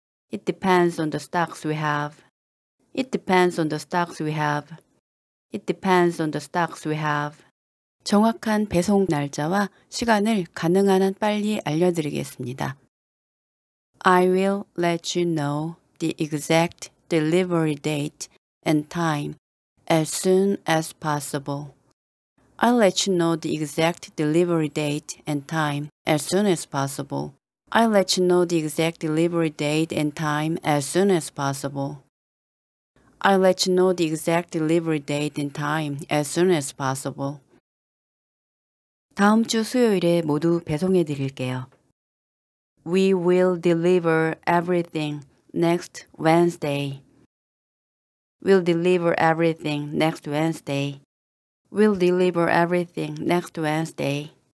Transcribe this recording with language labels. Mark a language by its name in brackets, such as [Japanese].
[English] It depends on the stocks we have. It depends on the stocks we have. It depends on the stocks we have. [Korean] 정확한 배송 날짜와 시간을 가능한 한 빨리 알려드리겠습니다. [English] I will let you know the exact delivery date and time as soon as possible. I'll let you know the exact delivery date and time as soon as possible. I'll let you know the exact delivery date and time as soon as possible. I'll let you know the exact delivery date and time as soon as possible. [Korean] 다음 주 수요일에 모두 배송해 드릴게요. [English] We will deliver everything next Wednesday. We'll deliver everything next Wednesday. We'll deliver everything next Wednesday.